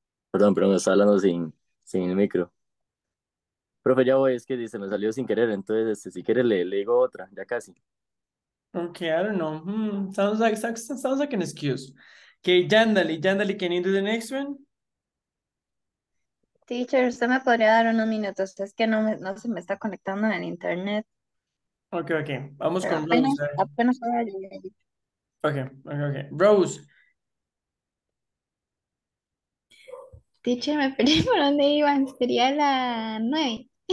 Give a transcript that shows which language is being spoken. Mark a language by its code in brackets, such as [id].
[es] Perdón, pero me está hablando sin el micro. Profe, ya voy, es que dice, me salió sin querer, entonces si quieres le digo otra, ya casi. [en] Okay, I don't know. Sounds like an excuse. Okay, Yandali, can you do the next one? [es] Teacher, ¿usted me podría dar unos minutos? Es que no se me está conectando en internet. Okay, vamos Pero con Rose. apenas [en] Okay. Rose. [es] Teacher, me perdí por dónde iban. Sería la 9.